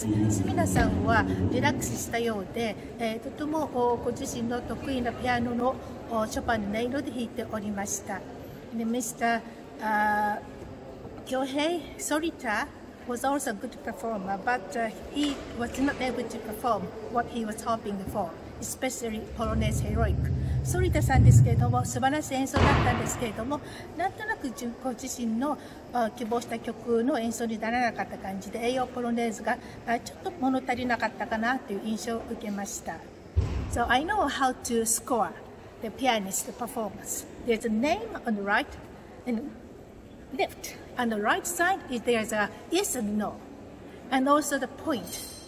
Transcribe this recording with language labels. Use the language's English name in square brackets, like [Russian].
[Japanese] スミノさんはリラックスしたようで、とてもご自身の得意なピアノのショパンの音色で弾いておりました。で、ミスター [English] 恭平ソリタ was also a good performer, but he was not able to perform what he was hoping for, especially Polonaise Heroic. [Japanese] ソリタさんですけれども、素晴らしい演奏だったんですけれども、なんとなくご自身の希望した曲の演奏にならなかった感じで、栄養ポロネーズがちょっと物足りなかったかなという印象を受けました。 [English] So I know how to score the pianist performance. There's a name on the right and left. On the right side is there's a yes and no, and also the point.